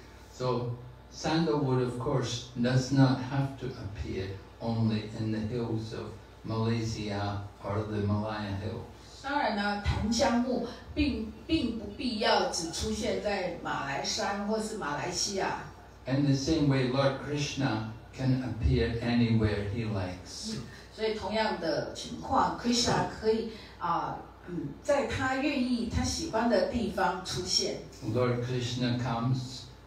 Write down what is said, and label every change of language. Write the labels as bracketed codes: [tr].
[en] So sandalwood, of course, does not have to appear only in the hills of Malaysia or the Malaya Hills. [zh] 当然呢，檀香木 并不必要只出现在马来山或是马来西亚。 [en] And the same way, Lord Krishna can appear anywhere he likes.、 [zh] 嗯、所以同样的情况 ，Krishna 可以、在他愿意、他喜欢的地方出现。 [en] Lord Krishna comes.